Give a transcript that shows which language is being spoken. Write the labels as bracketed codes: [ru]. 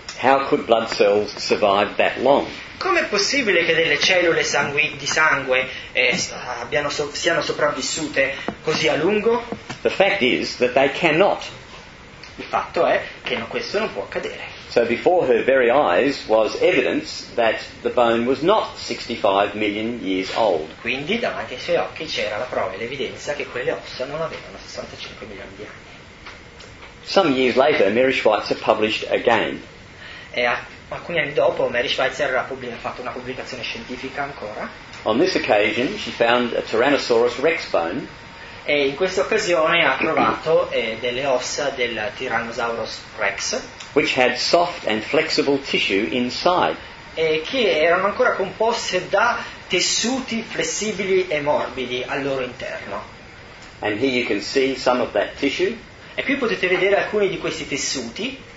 [en] How could blood cells survive that long? [it] Com'è possibile che delle cellule di sangue siano sopravvissute così a lungo? [en] The fact is that they cannot. [it] Il fatto è che questo non può accadere. [en] So before her very eyes was evidence that the bone was not 65 million years old. [it] Quindi davanti ai suoi occhi c'era la prova e l'evidenza che quelle ossa non avevano 65 milioni di anni. [en] Some years later, Mary Schweitzer published again. [it] Alcuni anni dopo Mary Schweitzer ha fatto una pubblicazione scientifica ancora. [en] On this occasion she found a Tyrannosaurus rex bone. [it] E in questa occasione ha trovato delle ossa del Tyrannosaurus rex. [en] Which had soft and flexible tissue inside. [it] E che erano ancora composte da tessuti flessibili e morbidi al loro interno. [en] And here you can see some of that tissue. [it] E qui potete vedere alcuni di questi tessuti.